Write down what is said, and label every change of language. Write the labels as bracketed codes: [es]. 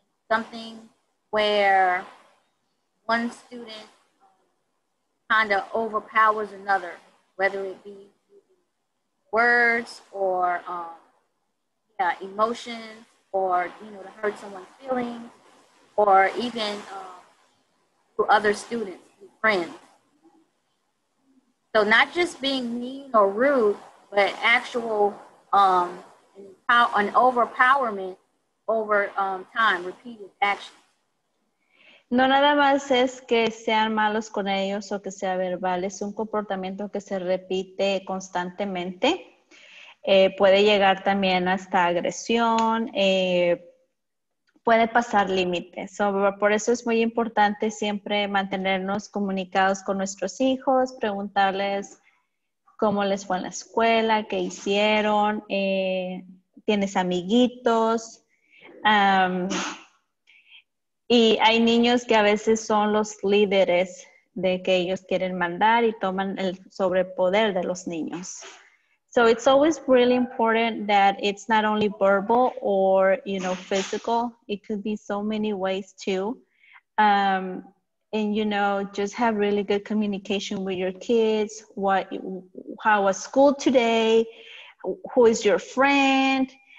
[en] Something where one student kind of overpowers another, whether it be words or emotions, or you know, to hurt someone's feelings, or even to other students, friends. So not just being mean or rude, but actual an overpowerment over time, repeated action. [es] No nada más es que sean malos con ellos o que sea verbal, es un comportamiento que se repite constantemente. Puede llegar también hasta agresión, puede pasar límites. So, por eso es muy importante siempre mantenernos comunicados con nuestros hijos, preguntarles cómo les fue en la escuela, qué hicieron, tienes amiguitos. Y hay niños que a veces son los líderes de que ellos quieren mandar y toman el sobrepoder de los niños. [en] So it's always really important that it's not only verbal or, you know, physical. It could be so many ways too. And, you know, just have really good communication with your kids. How was school today? Who is your friend?